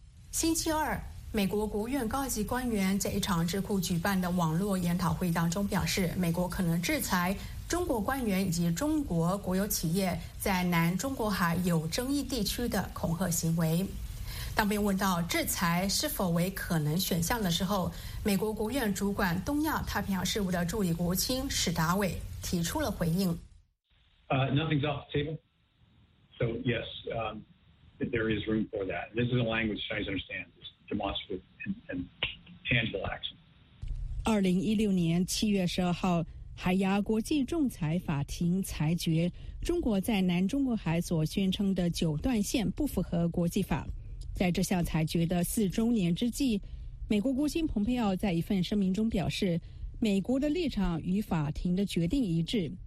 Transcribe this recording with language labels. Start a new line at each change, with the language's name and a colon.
Chinese: 星期二，美国国务院高级官员在一场智库举办的网络研讨会当中表示，美国可能制裁中国官员以及中国国有企业在南中国海有争议地区的恐吓行为。当被问到制裁是否为可能选项的时候，美国国务院主管东亚太平洋事务的助理国务卿史达伟提出了回应。
English: Nothing's off the table. So yes, there is room for that. This is a language Chinese understands. It's demonstrative and tangible action.
Chinese: 2016年7月12号，海牙国际仲裁法庭裁决中国在南中国海所宣称的九段线不符合国际法。在这项裁决的4周年之际，美国国务卿蓬佩奥在一份声明中表示，美国的立场与法庭的决定一致。